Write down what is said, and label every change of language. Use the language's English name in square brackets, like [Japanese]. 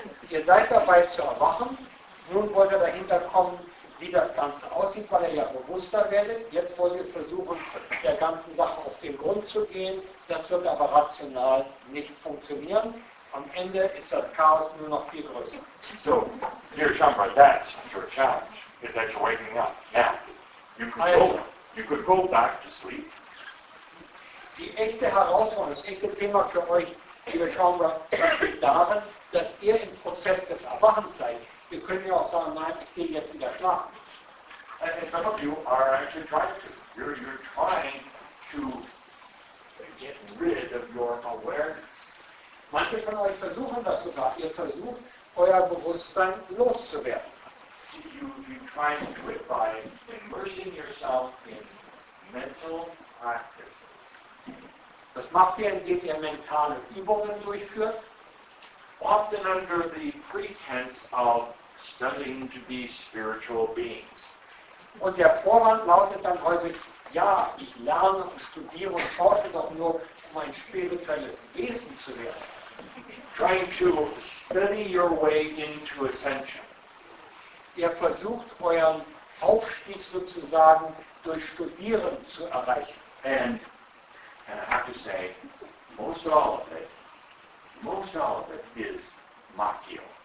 [German] Ihr seid dabei zu erwachen. Nun wollt ihr dahinter kommen, wie das Ganze aussieht, weil ihr ja bewusster werdet. Jetzt wollt ihr versuchen, der ganzen Sache auf den Grund zu gehen. Das wird aber rational nicht funktionieren. Am Ende ist das Chaos nur noch viel größer. [English] So, dear Shambra, that's your challenge, is that you're waking up. Now, you could go back to sleep. [German] Die echte Herausforderung, das echte Thema für euch, liebe Shambra, besteht darin, dass ihr im Prozess des Erwachens seid. Wir können ja auch sagen, nein, ich gehe jetzt wieder schlafen. [English] And some of you are actually trying to. You're trying to get rid of your awareness. [German] Manche von euch versuchen das sogar. Ihr versucht, euer Bewusstsein loszuwerden. [English] You're trying to do it by immersing yourself in mental practices. [German] Das macht ihr, indem ihr mentale Übungen durchführt. [English] Often under the pretense of studying to be spiritual beings. [German] Und der Vorwand lautet dann häufig, ja, ich lerne und studiere und forsche doch nur, um ein spirituelles Wesen zu werden. [English] Trying to study your way into ascension. [German] Ihr versucht, euren Aufstieg sozusagen durch Studieren zu erreichen. [English] And I have to say, most all of it is machio.